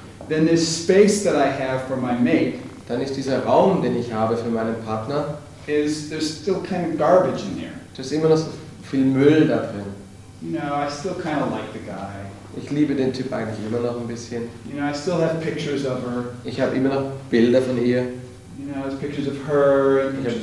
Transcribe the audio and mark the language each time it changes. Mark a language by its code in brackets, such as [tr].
[en] Then this space that I have for my mate, [de] dann ist dieser Raum, den ich habe für meinen Partner, [en] is there's still kind of garbage in here. [de] Da ist immer noch so viel Müll da drin. [en] You know, I still kind of like the guy. [de] Ich liebe den Typ eigentlich immer noch ein bisschen. [en] You know, I still have pictures of her. [de] Ich habe immer noch Bilder von ihr. [en] You know, there's pictures of her and pictures